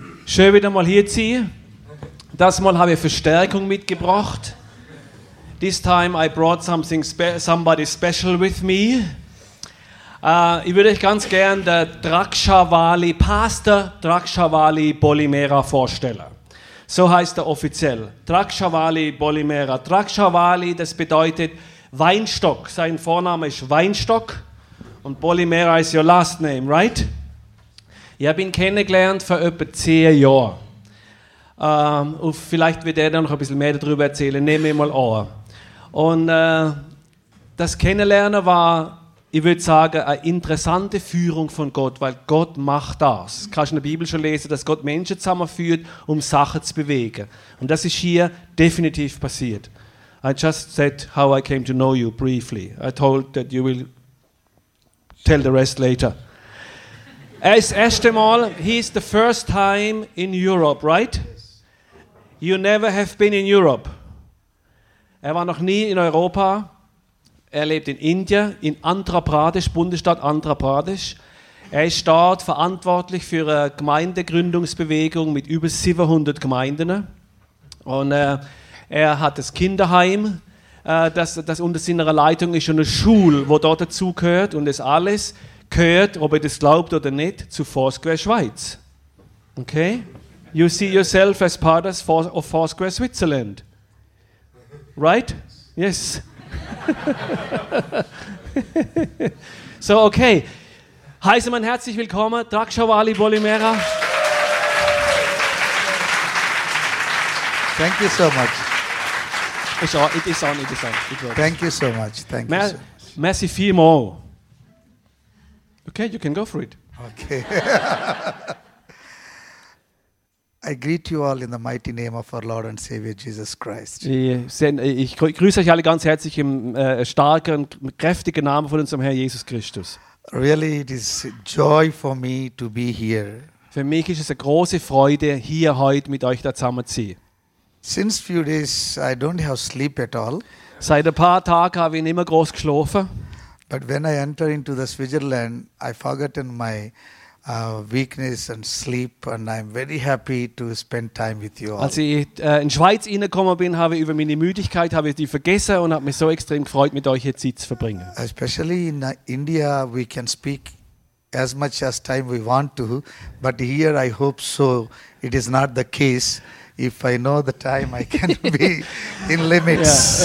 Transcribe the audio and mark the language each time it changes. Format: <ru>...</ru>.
<de>Schön wieder mal hier zu sein. Das Mal habe ich Verstärkung mitgebracht.</de> <en>This time I brought something somebody special with me.</en> <de>Ich würde euch ganz gern der Drakshawali, Pastor Drakshawali Bolimera vorstellen. So heißt er offiziell. Drakshawali Bolimera. Drakshawali, das bedeutet Weinstock. Sein Vorname ist Weinstock. Und Bolimera ist</de> <en>your last name, right?</en> <de>Ich habe ihn kennengelernt vor etwa 10 Jahren. Und vielleicht wird er dann noch ein bisschen mehr darüber erzählen. Nehmen wir mal an. Und das Kennenlernen war, ich würde sagen, eine interessante Führung von Gott, weil Gott macht das. Kannst du in der Bibel schon lesen, dass Gott Menschen zusammenführt, um Sachen zu bewegen. Und das ist hier definitiv passiert.</de> <en>I just said how I came to know you briefly. I told that you will tell the rest later.</en> <de>Er ist erst einmal,</de> <en>he is the first time in Europe, right? You never have been in Europe.</en> <de>Er war noch nie in Europa. Er lebt in Indien, in Andhra Pradesh, Bundesstaat Andhra Pradesh. Er ist dort verantwortlich für eine Gemeindegründungsbewegung mit über 700 Gemeinden. Und er hat das Kinderheim, das unter seiner Leitung ist, und eine Schule, wo dort dazugehört. Und das alles gehört, ob ihr das glaubt oder nicht, zu Foursquare Schweiz. Okay?</de> <en>You see yourself as part of Foursquare Switzerland. Right? Yes.</en> <de>So, okay. Heiße man herzlich willkommen, Drakshawali Bolimera.</de> <en>Thank you so much. It is on. Thank you so much. Thank you so much.</en> <de>Merci vielmal.</de> <en>Okay, you can go for it. Okay. I greet you all in the mighty name of our Lord and Savior Jesus Christ.</en> <de>Ich grüße euch alle ganz herzlich im starken, kräftigen Namen von unserem Herrn Jesus Christus.</de> <en>Really, it is joy for me to be here.</en> <de>Für mich ist es eine große Freude, hier heute mit euch da zusammen zu sein.</de> <en>Since few days, I don't have sleep at all.</en> <de>Seit ein paar Tagen habe ich nicht mehr groß geschlafen.</de> <en>But when I enter into the Switzerland, I forgotten my weakness and sleep, and I'm very happy to spend time with you all.</en> <de>Als ich in Schweiz reingekommen bin, habe ich über meine Müdigkeit habe ich die vergessen und habe mich so extrem gefreut, mit euch hier Zeit zu verbringen.</de> <en>Especially in India, we can speak as much as time we want to, but here I hope so. It is not the case. If I know the time, I can be in limits.</en>